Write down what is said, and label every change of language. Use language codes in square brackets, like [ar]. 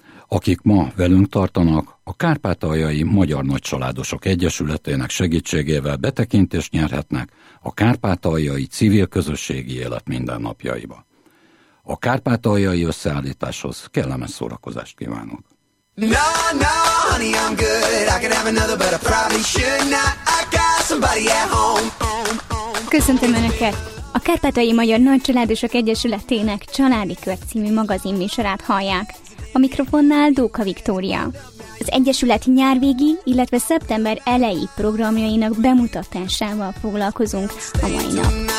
[hu] akik ma velünk tartanak, a Kárpátaljai Magyar Nagycsaládosok Egyesületének segítségével betekintést nyerhetnek a kárpátaljai civil közösségi élet mindennapjaiba. A kárpátaljai összeállításhoz kellemes szórakozást kívánok! [en] No, no, honey, I'm good. I could have another, but I probably should not. I got somebody at home. [hu] Köszöntöm Önöket! A Kárpátaljai Magyar Nagycsaládosok Egyesületének Családi Kör című magazin műsorát hallják. A mikrofonnál Dóka Viktória. Az Egyesület nyárvégi, illetve szeptember elejé programjainak bemutatásával foglalkozunk a mai nap.